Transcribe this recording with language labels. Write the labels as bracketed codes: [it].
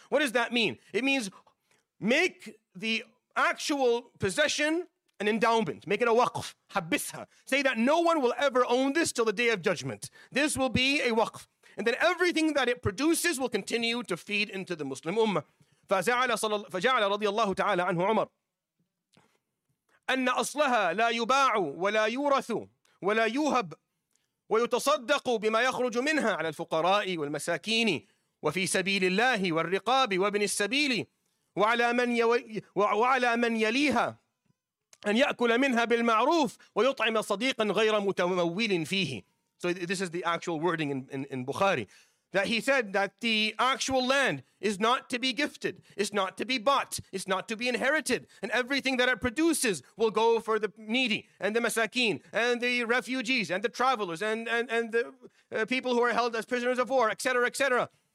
[en] What does that mean? It means make the actual possession an endowment. Make it a waqf. [ar] حَبِّسْهَا. [en] Say that no one will ever own this till the day of judgment. This will be a waqf. And then everything that it produces will continue to feed into the Muslim ummah. [ar] فجعل رضي الله تعالى عنه عمر أن أصلها لا يباع ولا يورث ولا يوهب ويتصدق بما يخرج منها على الفقراء والمساكين وفي سبيل الله والرقاب وابن السبيل وعلى من يليها أن يأكل منها بالمعروف ويطعم صديقا غير متمول فيه. [en] So this is the actual wording in Bukhari. That he said that the actual land is not to be gifted, it's not to be bought, it's not to be inherited, and everything that it produces will go for the needy and the masakeen and the refugees and the travelers and the people who are held as prisoners of war, etc., etc.